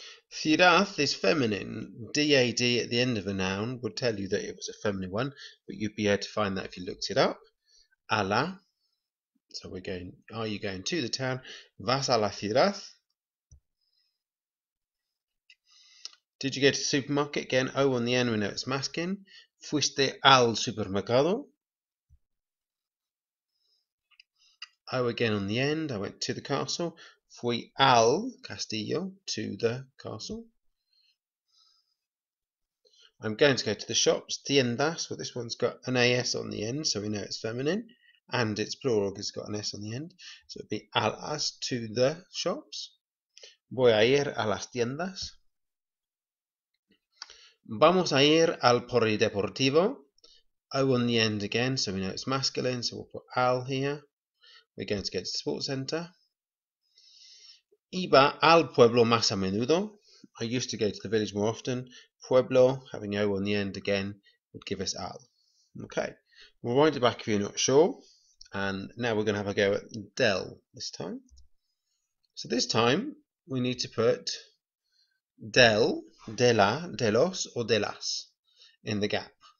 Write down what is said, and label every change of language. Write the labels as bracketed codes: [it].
[en] Ciudad is feminine. D-A-D at the end of a noun would tell you that it was a feminine one, but you'd be able to find that if you looked it up. Ala. So we're going, are you going to the town? [es] Vas a la ciudad. [en] Did you go to the supermarket? Again, O on the end, we know it's masculine. [es] Fuiste al supermercado. [en] O again on the end, I went to the castle. [es] Fui al castillo, [en] to the castle. I'm going to go to the shops. Tiendas, well this one's got an AS on the end, so we know it's feminine. And it's plural because it's got an S on the end. So it'd be alas, to the shops. [es] Voy a ir a las tiendas. Vamos a ir al polideportivo. [en] O on the end again, so we know it's masculine, so we'll put al here. We're going to get to the sports centre. [es] Iba al pueblo más a menudo. [en] I used to go to the village more often. Pueblo, having O on the end again, would give us al. Okay, we'll wind it back if you're not sure. And now we're going to have a go at del this time. So this time, we need to put Del, de la, de los, or de las in the gap.